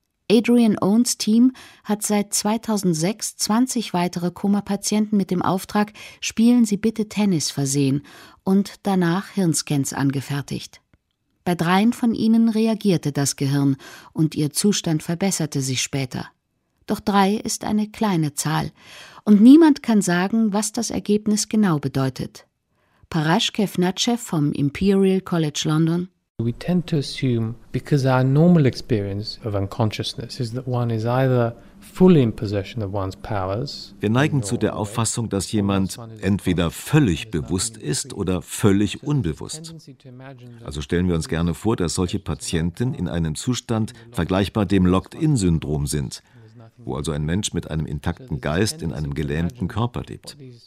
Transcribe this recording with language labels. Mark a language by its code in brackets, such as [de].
[de] Adrian Owens Team hat seit 2006 20 weitere Koma-Patienten mit dem Auftrag »Spielen Sie bitte Tennis« versehen und danach Hirnscans angefertigt. Bei dreien von ihnen reagierte das Gehirn und ihr Zustand verbesserte sich später. Doch drei ist eine kleine Zahl und niemand kann sagen, was das Ergebnis genau bedeutet. Parash Kevnatchev vom Imperial College London. [en] We tend to assume, because our normal experience of unconsciousness is that one is either fully in possession of one's powers. [de] Wir neigen zu der Auffassung, dass jemand entweder völlig bewusst ist oder völlig unbewusst. Also stellen wir uns gerne vor, dass solche Patienten in einem Zustand vergleichbar dem Locked-in-Syndrom sind, wo also ein Mensch mit einem intakten Geist in einem gelähmten Körper lebt.